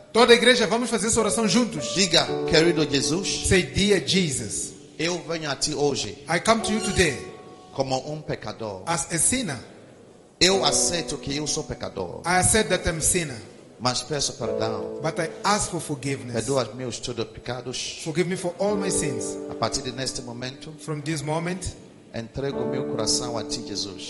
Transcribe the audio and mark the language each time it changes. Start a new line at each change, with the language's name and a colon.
Portuguese: Toda a igreja, vamos fazer essa oração juntos. Diga, querido Jesus.
English: Say, dear Jesus.
Portuguese: Eu venho a ti hoje.
English: I come to you today.
Portuguese: Como pecador.
English: As a sinner.
Portuguese: Eu aceito que eu sou pecador.
English: I accept that I'm a sinner.
Portuguese: Mas peço perdão.
English: But I ask for forgiveness.
Portuguese: Perdoa meus todos os pecados.
English: Forgive me for all my sins.
Portuguese: A partir de neste momento,
English: from this moment,
Portuguese: entrego meu coração a ti, Jesus.